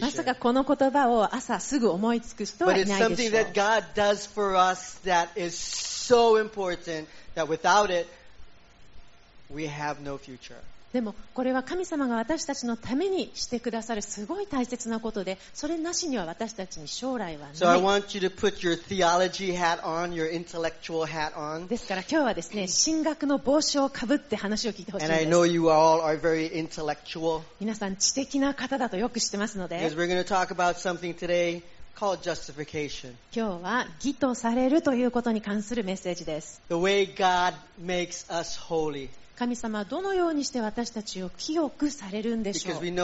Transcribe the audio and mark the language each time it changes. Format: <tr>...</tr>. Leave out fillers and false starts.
<ja>まさかこの言葉を朝すぐ思いつく人はいないでしょう。</ja> <en>But it's something that God does for us that is so important that without it, we have no future.</en> <ja>でもこれは神様が私たちのためにしてくださるすごい大切なことで、それなしには私たちに将来はない。</ja> <en>So I want you to put your theology hat on, your intellectual hat on.</en> <ja>ですから今日はですね、神学の帽子をかぶって話を聞いてほしいんです。</ja> <en>And I know you all are very intellectual.</en> <ja>皆さん知的な方だとよく知ってますので。</ja> <en>Because we're going to talk about something today called justification.</en> <ja>今日は義とされるということに関するメッセージです。</ja> <en>The way God makes us holy.</en> <ja>神様はどのようにして私たちを清くされるんでしょう。</ja>